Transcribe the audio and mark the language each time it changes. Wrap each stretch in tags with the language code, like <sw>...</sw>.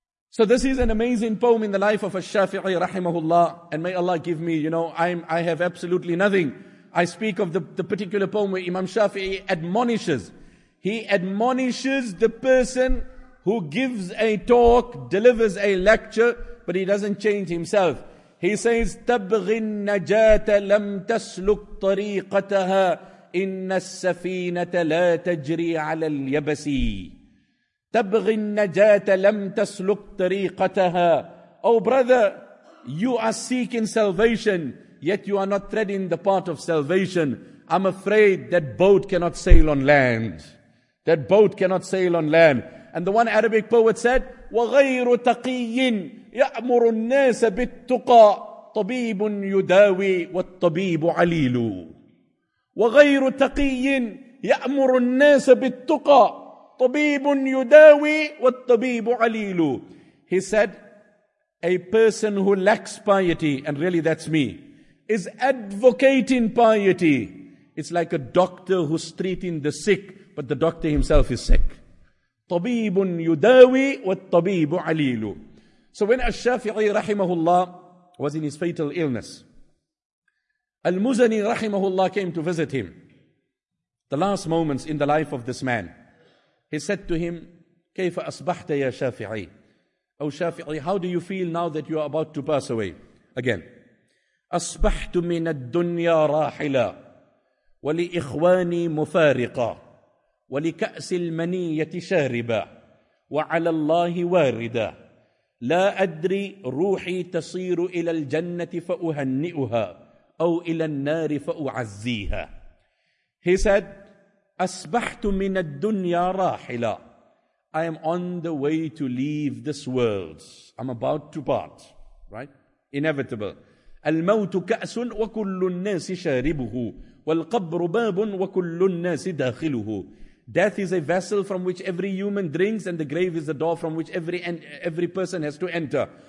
<en>So this is an amazing poem in the life of al-Shafi'i rahimahullah. And may Allah give me, you know, I have absolutely nothing. I speak of the particular poem where Imam Shafi'i admonishes. He admonishes the person who gives a talk, delivers a lecture, but he doesn't change himself. He says,</en> <ar>تَبْغِ النَّجَاةَ لَمْ تَسْلُكْ طَرِيقَتَهَا إِنَّ السَّفِينَةَ لَا تَجْرِي عَلَى الْيَبَسِي. تَبْغِ النَّجَاةَ لَمْ تَسْلُكْ طَرِيقَتَهَا.</ar> <en>Oh brother, you are seeking salvation, yet you are not treading the path of salvation. I'm afraid that boat cannot sail on land. That boat cannot sail on land. And the one Arabic poet said,</en> <ar>وَغَيْرُ تَقِيٍّ يَأْمُرُ النَّاسَ بِالتُّقَى طَبِيبٌ يُدَاوِي وَالطَّبِيبُ عَلِيلُ. وَغَيْرُ تَقِيٍّ يَأْمُرُ النَّاسَ بِالتُّقَى طَبِيبٌ يُدَاوِي وَالطَّبِيبُ عَلِيلُ.</ar> <en>He said, a person who lacks piety, and really that's me, is advocating piety. It's like a doctor who's treating the sick, but the doctor himself is sick.</en> <ar>طَبِيبٌ يُدَاوِي وَالطَّبِيبُ عَلِيلُ.</ar> <en>So when al-Shafi'i rahimahullah was in his fatal illness, al-Muzani rahimahullah came to visit him. The last moments in the life of this man, he said to him,</en> <ar>كَيْفَ أَصْبَحْتَ يَا شَافِعِي.</ar> <en>Oh Shafi'i, how do you feel now that you are about to pass away? Again,</en> <ar>أَصْبَحْتُ مِنَ الدُّنْيَا رَاحِلًا وَلِإِخْوَانِي مُفَارِقًا وَلِكَأْسِ الْمَنِيَّةِ شَارِبًا وَعَلَى اللَّهِ وَارِدًا لَا أَدْرِي رُوحِي تَصِيرُ إِلَى الْجَنَّةِ فَأُهَنِّئُهَا أَوْ إِلَى النَّارِ فَأُعَزِّيهَا.</ar> <en>He said,</en> <ar>أَصْبَحْتُ مِنَ الدُّنْيَا رَاحِلًا.</ar> <en>I am on the way to leave this world. I'm about to part, right? Inevitable.</en> <ar>الْمَوْتُ كَأْسٌ وَكُلُّ النَّاسِ شَارِبُهُ وَالْقَبْرُ بَابٌ وَكُلُّ النَّاسِ دَاخِلُهُ.</ar> <en>Death is a vessel from which every human drinks, and the grave is the door from which every person has to enter.</en>